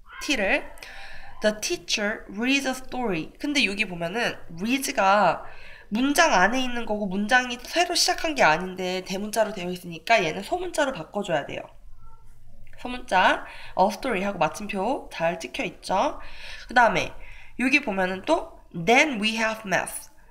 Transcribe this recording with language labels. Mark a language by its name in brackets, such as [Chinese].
[Korean] t를. [English] The teacher reads a story. [Korean] 근데 여기 보면은 reads가 문장 안에 있는 거고 문장이 새로 시작한 게 아닌데 대문자로 되어 있으니까 얘는 소문자로 바꿔줘야 돼요. 소문자, a story 하고 마침표 잘 찍혀 있죠? 그 다음에 여기 보면은 또 [English] then we have math.